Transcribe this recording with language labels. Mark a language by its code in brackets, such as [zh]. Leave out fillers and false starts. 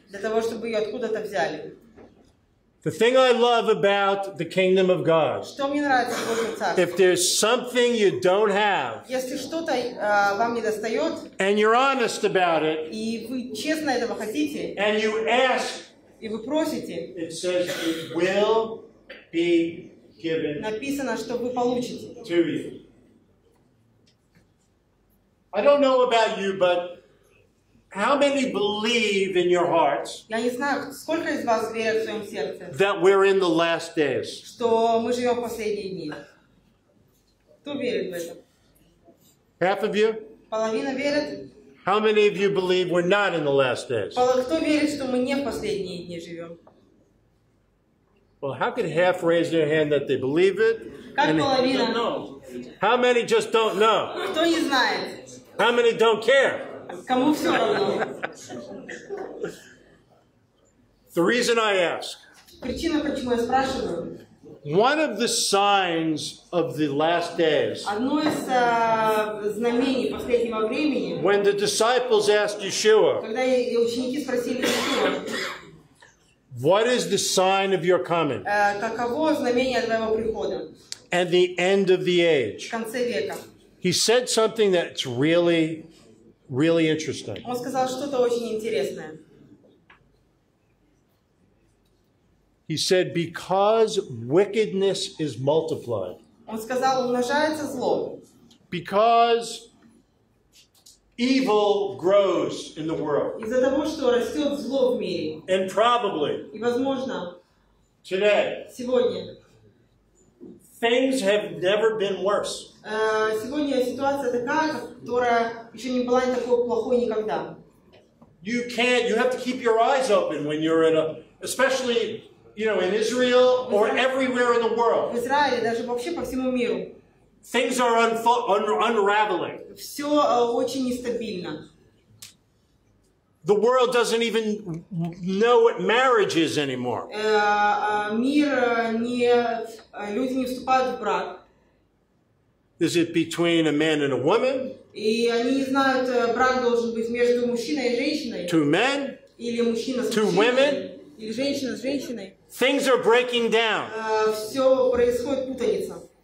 [ru] Для того, чтобы ее откуда-то взяли. [en] The thing I love about the kingdom of God. [ru] Что мне нравится в Божьем царстве? [en] If there's something you don't have, [ru] если что-то вам не достает, [en] and you're honest about it, [ru] и вы честно этого хотите, [en] and you ask, [ru] и вы просите, [en] it says it will be given. [ru] Написано, что вы получите. [en] To you. I don't know about you, but how many believe in your hearts? [ru] Я не знаю, сколько из вас верят в своем сердце. [en] That we're in the last days. [ru] Что мы живем в последние дни. Кто верит в это? [en] Half of you? [ru] Половина верит. [en] How many of you believe we're not in the last days? [ru] Кто верит, что мы не в последние дни живем? [en] Well, how could half raise their hand that they believe it? [ru] Как половина? [en] How many just don't know? [ru] Кто не знает? [en] How many don't care? [ru] Кому все равно? [en] The reason I ask. [ru] Причина, почему я спрашиваю. [en] One of the signs of the last days. [ru] Одно из знамений последнего времени. [en] When the disciples asked Yeshua. [ru] Когда ученики спросили Иисуса. [en] What is the sign of your coming? [ru] Каково знамение твоего прихода? [en] And the end of the age. [ru] В конце века. [en] He said something that's really, really interesting. [ru] Он сказал что-то очень интересное. [en] He said, because wickedness is multiplied. [ru] Он сказал, умножается зло. [en] Because evil grows in the world. [ru] Из-за того, что растет зло в мире. [en] And probably. [ru] И возможно. [en] Today. [ru] Сегодня. [en] Things have never been worse. [ru] Сегодня ситуация такая, которая еще не была такой плохой никогда. [en] You can't, you have to keep your eyes open when you're in a, especially, you know, in Israel or everywhere in the world. [ru] В Израиле, даже вообще по всему миру. [en] Things are unraveling. [ru] Все очень нестабильно. [en] The world doesn't even know what marriage is anymore. [ru] Мир не люди не вступают в брак. [en] Is it between a man and a woman? [ru] И они не знают, брак должен быть между мужчиной и женщиной. [en] Two men? [ru] Или мужчина с женщиной? [en] Two women? [ru] Или женщина с женщиной? [en] Things are breaking down. [ru] Все происходит путаница.